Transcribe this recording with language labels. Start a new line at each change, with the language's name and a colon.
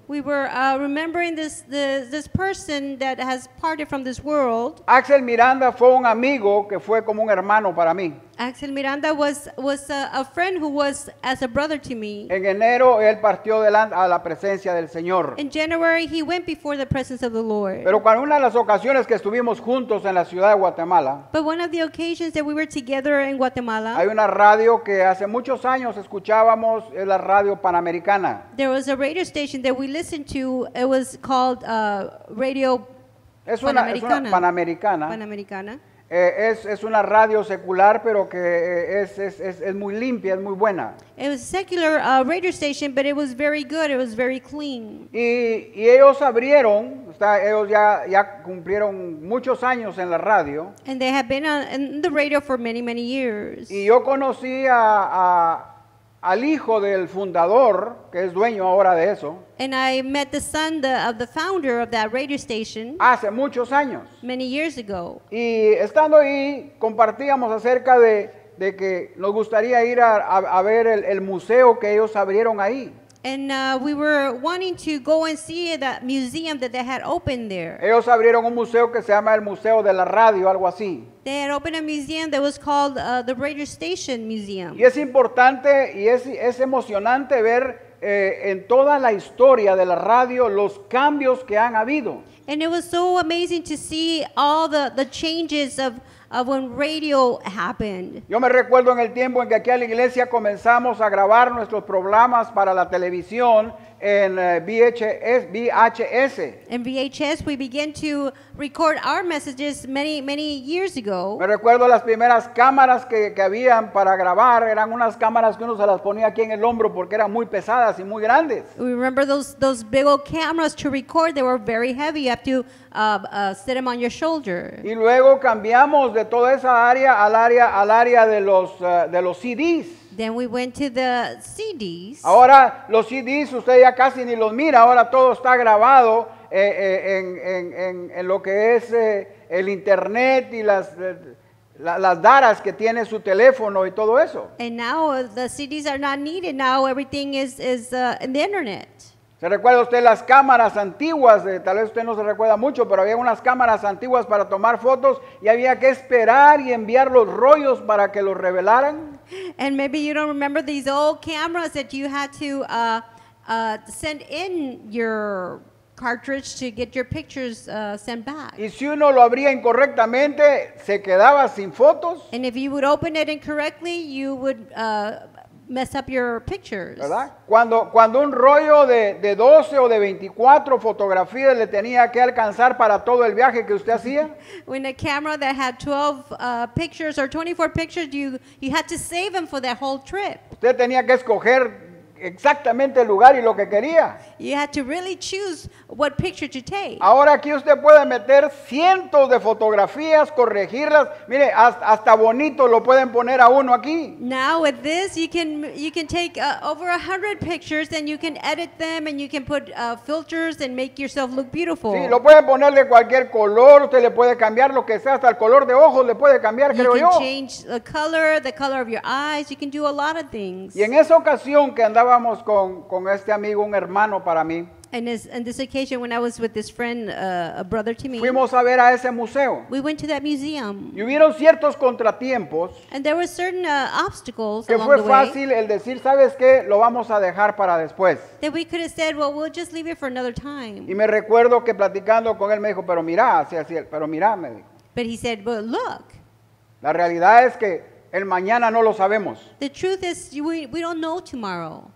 English: We were remembering this person that has parted from this world.
Spanish: Axel Miranda fue un amigo que fue como un hermano para mí.
English: Axel Miranda was a friend who was as a brother to me.
Spanish: En enero él partió delante a la presencia del Señor.
English: In January he went before the presence of the Lord.
Spanish: Pero cuando una de las ocasiones que estuvimos juntos en la ciudad de Guatemala.
English: But one of the occasions that we were together in Guatemala.
Spanish: Hay una radio que hace muchos años escuchábamos, es la radio Panamericana.
English: There was a radio station that we listened to. It was called Radio Panamericana. Panamericana.
Spanish: Es una radio secular, pero que es muy limpia, es muy buena.
English: It was a secular radio station, but it was very good. It was very clean.
Spanish: Y ellos abrieron, o sea, ellos ya cumplieron muchos años en la radio.
English: And they have been in the radio for many, many years.
Spanish: Y yo conocí al hijo del fundador, que es dueño ahora de eso.
English: And I met the son of the founder of that radio station.
Spanish: Hace muchos años.
English: Many years ago.
Spanish: Y estando ahí, compartíamos acerca de que nos gustaría ir a ver el museo que ellos abrieron ahí.
English: And we were wanting to go and see that museum that they had opened there.
Spanish: Ellos abrieron un museo que se llama el Museo de la Radio, algo así.
English: They had opened a museum that was called the Radio Station Museum.
Spanish: Y es importante y es emocionante ver en toda la historia de la radio los cambios que han habido.
English: And it was so amazing to see all the changes of when radio happened.
Spanish: Yo me recuerdo en el tiempo en que aquí a la iglesia comenzamos a grabar nuestros programas para la televisión en VHS.
English: In VHS we began to record our messages many, many years ago.
Spanish: Me recuerdo las primeras cámaras que habían para grabar, eran unas cámaras que uno se las ponía aquí en el hombro porque eran muy pesadas y muy grandes.
English: We remember those big old cameras to record, they were very heavy, you have to sit them on your shoulder.
Spanish: Y luego cambiamos de toda esa área al área de los CDs.
English: Then we went to the CDs.
Spanish: Ahora los CDs usted ya casi ni los mira, ahora todo está grabado en lo que es el internet y las daras que tiene su teléfono y todo eso.
English: And now the CDs are not needed, now everything is in the internet.
Spanish: ¿Se recuerda usted las cámaras antiguas? Tal vez usted no se recuerda mucho, pero había unas cámaras antiguas para tomar fotos y había que esperar y enviar los rollos para que los revelaran.
English: And maybe you don't remember these old cameras that you had to send in your cartridge to get your pictures sent back.
Spanish: Y si uno lo abría incorrectamente, se quedaba sin fotos.
English: And if you would open it incorrectly, you would mess up your pictures.
Spanish: ¿Verdad? Cuando un rollo de 12 o de 24 fotografías le tenía que alcanzar para todo el viaje que usted hacía.
English: When a camera that had 12 pictures or 24 pictures, you had to save them for that whole trip.
Spanish: Usted tenía que escoger exactamente el lugar y lo que quería.
English: You had to really choose what picture to take.
Spanish: Ahora aquí usted puede meter cientos de fotografías, corregirlas. Mire, hasta bonito lo pueden poner a uno aquí.
English: Now with this, you can take over 100 pictures and you can edit them and you can put filters and make yourself look beautiful.
Spanish: Sí, lo pueden poner de cualquier color. Usted le puede cambiar lo que sea, hasta el color de ojos le puede cambiar, creo yo.
English: You can change the color of your eyes. You can do a lot of things.
Spanish: Y en esa ocasión que andábamos con este amigo, un hermano para mí.
English: And in this occasion when I was with this friend, a brother to me.
Spanish: Fuimos a ver a ese museo.
English: We went to that museum.
Spanish: Y hubieron ciertos contratiempos.
English: And there were certain obstacles
Spanish: que
English: along
Spanish: fue
English: the way.
Spanish: Fácil el decir, ¿sabes qué? Lo vamos a dejar para después.
English: That we could have said, well, we'll just leave it for another time.
Spanish: Y me recuerdo que platicando con él me dijo, pero mira, así, pero mira, me dijo.
English: But he said, but look.
Spanish: La realidad es que el mañana no lo sabemos.
English: The truth is, we don't know tomorrow.